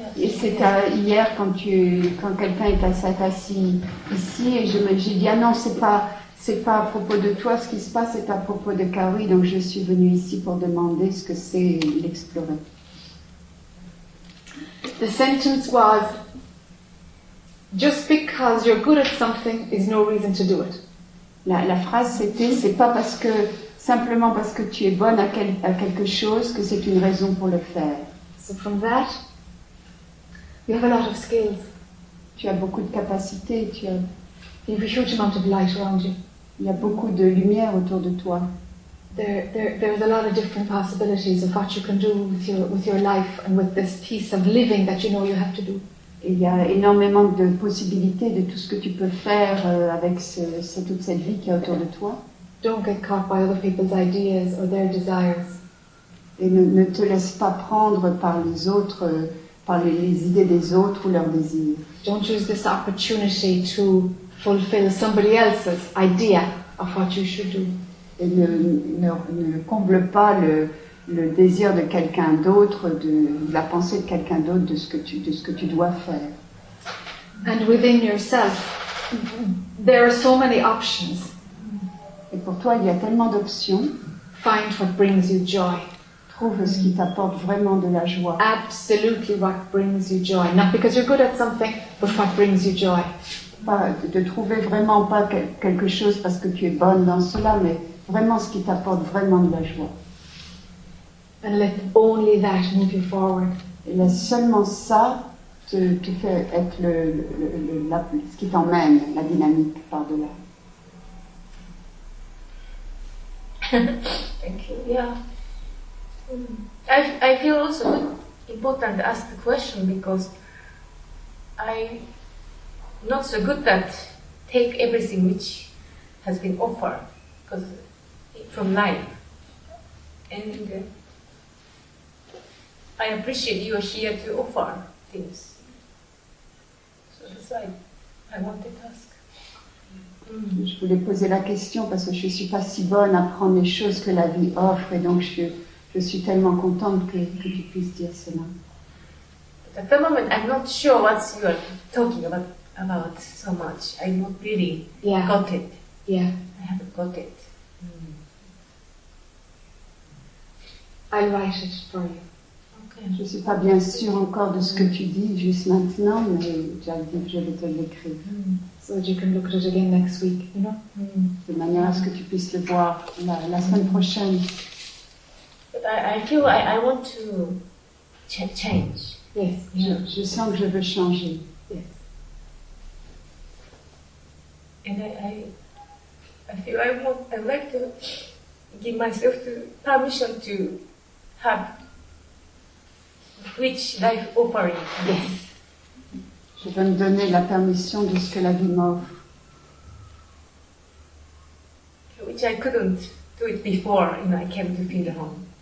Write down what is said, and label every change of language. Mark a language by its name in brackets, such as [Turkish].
[French] Et c'est à, hier quand quelqu'un s'est assis ici et j'ai dit ah non c'est pas à propos de toi ce qui se passe c'est à propos de Carrie donc je suis venue ici pour demander ce que c'est l'explorer. [English] The sentence was just because you're good at something is no reason to do it. [French] La phrase c'était c'est pas parce que simplement parce que tu es bonne à quelque chose que c'est une raison pour le faire. [English] So from that. You have a lot of skills. [French] Tu as beaucoup de capacités. [English] You have a huge amount of light around you. [French] Il y a beaucoup de lumière autour de toi. [English] There's a lot of different possibilities of what you can do with your life and with this piece of living that you know you have to do. [French] Il y a énormément de possibilités de tout ce que tu peux faire avec toute cette vie qui est autour de toi. [English] Don't get caught by other people's ideas or their desires. [French] Et ne te laisse pas prendre par les autres. Par les idées des autres ou leurs désirs. [English] Don't use this opportunity to fulfill somebody else's idea of what you should do. [French] Et ne comble pas le désir de quelqu'un d'autre, de la pensée de quelqu'un d'autre de ce que tu dois faire. [English] And within yourself, there are so many options. [French] Et pour toi, il y a tellement d'options. [English] Find what brings you joy. [French] Trouve ce qui t'apporte vraiment de la joie. [English] Absolutely, what brings you joy? Not because you're good at something, but what brings you joy? [French] De trouver vraiment pas quelque chose parce que tu es bonne dans cela, mais vraiment ce qui t'apporte vraiment de la joie. [English] And let only that move you forward. [French] Et laisse seulement ça te faire être ce qui t'emmène, la dynamique par delà. [English] Thank you. Yeah. I feel also important to ask the question because I'm not so good at take everything which has been offered because from life. And I appreciate you are here to offer things. So that's why I wanted to ask. [French] Je voulais poser la question parce que je suis pas si bonne à prendre les choses que la vie offre et donc je suis tellement contente que tu puisses dire cela. [English] But at the moment, I'm not sure what you are talking about so much. I not really got it. Yeah. I haven't got it. Mm. I'll write it for you. Okay. [French] Je ne suis pas bien sûre encore de ce que tu dis juste maintenant, mais je vais te l'écrire. Mm. [English] So that you can look at it again next week, you know? Mm. [French] De manière à ce que tu puisses le voir la semaine prochaine. [English] I feel I want to change. Yes. [French] Je sens que je veux changer. [English] Yes. And I feel I'd like to give myself to permission to have rich life offering. Yes. [French] Je veux me donner la permission de ce que la vie m'offre. [English] Which I couldn't do it before, you know, I came to feel home.